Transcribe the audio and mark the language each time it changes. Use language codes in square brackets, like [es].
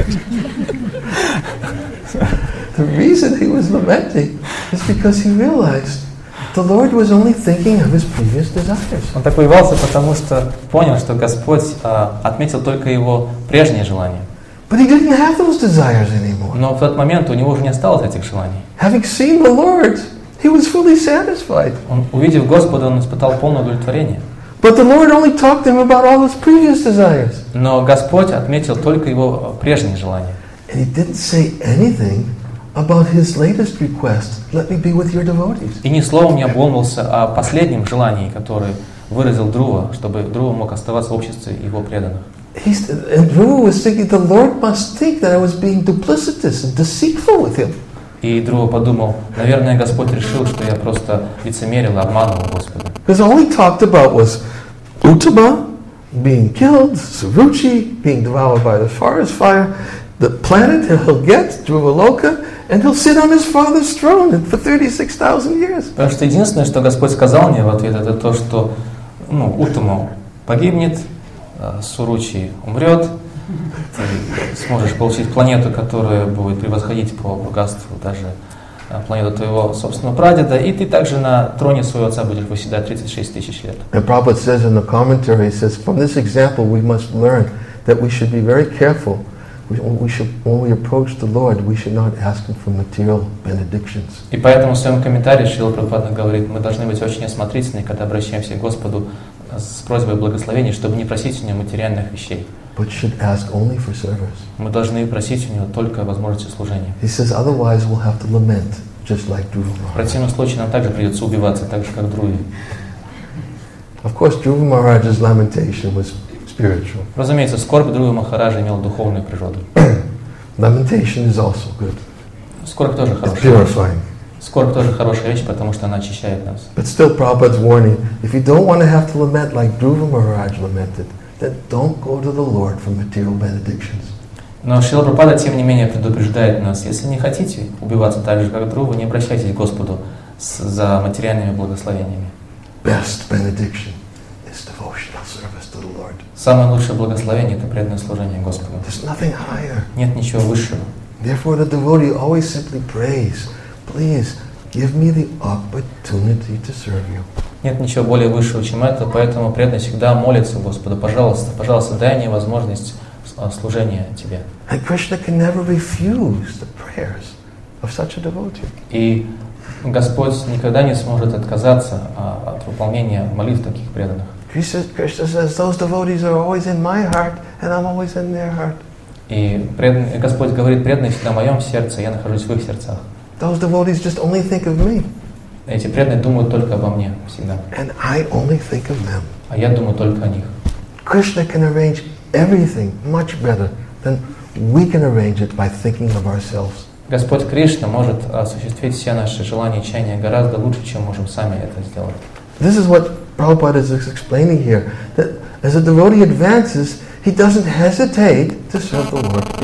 [en] The reason he was lamenting is because he realized the Lord was only thinking of his previous desires. [ru] Он так убивался, потому что понял, что Господь отметил только его прежние желания. [en] But he didn't have those desires anymore. [ru] Но в тот момент у него уже не осталось этих желаний. [en] Having seen the Lord, He was fully satisfied. [ru] Он, увидев Господа, он испытал полное удовлетворение. [en] But the Lord only talked to him about all his previous desires. [ru] Но Господь отметил только его прежние желания. [en] And he didn't say anything about his latest request. Let me be with your devotees. [ru] И ни словом не обмолвился о последнем желании, которое выразил Друва, чтобы Друва мог оставаться в обществе его преданных. [en] And Druva was thinking, the Lord must think that I was being duplicitous and deceitful with him. [ru] И Друва подумал, наверное, Господь решил, что я просто лицемерил и обманывал Господа. [en] Because all he talked about was Uttama being killed, Suruchi being devoured by the forest fire, the planet he'll get, Dhruvaloka, and he'll sit on his father's throne for 36,000 years. [ru] Потому что единственное, что Господь сказал мне в ответ, это то, что Уттама погибнет, Суручи умрет, ты сможешь получить планету, которая будет превосходить по богатству даже планету твоего собственного прадеда, и ты также на троне своего отца будешь восседать 36 тысяч лет. [en] And Prabhupada says in the commentary, he says, from this example we must learn that we should be very careful. We should, when we approach the Lord, we should not ask Him for material benedictions. [ru] И поэтому в своем комментарии Шрила Прабхупада говорит, мы должны быть очень осмотрительны, когда обращаемся к Господу с просьбой благословения, чтобы не просить у Него материальных вещей. [en] But should ask only for service. [ru] Мы должны просить у Него только о возможности служения. [en] He says, otherwise we'll have to lament, just like Dhruva Maharaj. [ru] В противном случае нам также придется убиваться, так же как Друви. [en] Of course, Dhruva Maharaj's lamentation was spiritual. [ru] Разумеется, скорбь Друвы Махараджа имела духовную природу. [en] Lamentation is also good. [ru] Скорбь тоже хорошая. [en] It's purifying. [ru] Скорбь тоже хорошая вещь, потому что она очищает нас. [en] But still, Prabhupada's warning: if you don't want to have to lament like Dhruva Maharaj lamented, then don't go to the Lord for material benedictions. [ru] Но Шрила Прабхупада тем не менее предупреждает нас: если не хотите убиваться так же, как Друва, не обращайтесь к Господу за материальными благословениями. [en] Best benediction is devotional service to the Lord. [ru] Самое лучшее благословение — это преданное служение Господу. [en] There's nothing higher. [ru] Нет ничего высшего. [en] Therefore, the devotee always simply prays. Please give me the opportunity to serve you. [ru] Нет ничего более высшего, чем это, поэтому преданный всегда молится Господу: пожалуйста, пожалуйста, дай мне возможность служения Тебе. [en] And Krishna can never refuse the prayers of such a devotee. [ru] И Господь никогда не сможет отказаться от выполнения молитв таких преданных. [en] Krishna says, those devotees are always in my heart, and I'm always in their heart. [ru] И Господь говорит, преданные всегда в моем сердце, я нахожусь в их сердцах. [en] Those devotees just only think of me. [ru] Эти преданные думают только обо мне всегда. [en] And I only think of them. [ru] А я думаю только о них. [en] Krishna can arrange everything much better than we can arrange it by thinking of ourselves. [ru] Господь Кришна может осуществить все наши желания и чаяния гораздо лучше, чем можем сами это сделать. [en] This is what Prabhupada is explaining here, that as a devotee advances, he doesn't hesitate to serve the Lord.